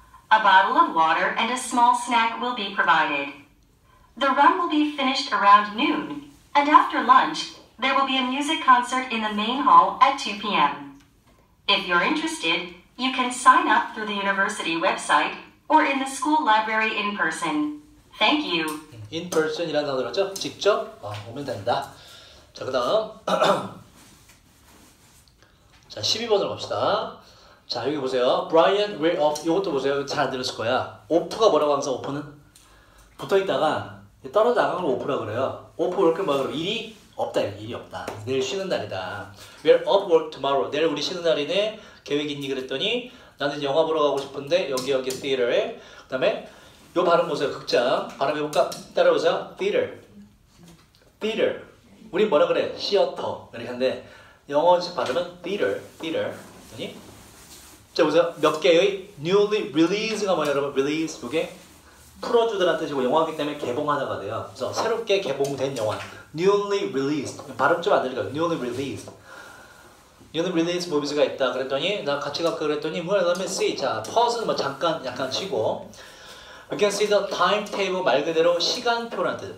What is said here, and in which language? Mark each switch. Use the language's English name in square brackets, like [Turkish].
[English] A bottle of water and a small snack will be provided. The run will be finished around noon, and after lunch, there will be a music concert in the main hall at 2 p.m. If you're interested, you can sign up through the university website or in the school library in person. Thank you. [Korean] In person이라는 단어죠? 직접 오면 된다. 자, 그 다음. 자, 12번으로 갑시다. 자, 여기 보세요. [English] Brian, we're off. [Korean] 이것도 보세요. 잘 안 들었을 거야. off가 뭐라고 항상 off는? 붙어있다가 떨어져 나간 걸 off라 그래요. off 이렇게 뭐 그럼 일이 없다. 일이 없다. 내일 쉬는 날이다. [English] We're off work tomorrow. [Korean] 내일 우리 쉬는 날이네. 계획 있니? 그랬더니 나는 영화 보러 가고 싶은데 여기 여기 theater에. 그 다음에 요 발음 보세요. 극장. 발음 해볼까? 따라오세요. Theater. Theater. 우리 뭐라 그래? 시어터. 이렇게 하는데 영어식 발음은 theater. Theater. 아니? 자, 보세요. 몇 개의 newly released가 뭐예요, 여러분? [English] Release. [Korean] 요게 풀어주더란 뜻이고 영화이기 때문에 개봉하다가 돼요. 그래서 새롭게 개봉된 영화. [English] Newly released. [Korean] 발음 좀 안 들리죠? [English] Newly released. Newly released movies가 있다. [Korean] 그랬더니 나 같이 갈까? 그랬더니 [English] well, let me see. [Korean] 자, pause는 뭐 잠깐 약간 쉬고 [English] We can see the timetable [Korean] 말 그대로 시간표라는 뜻.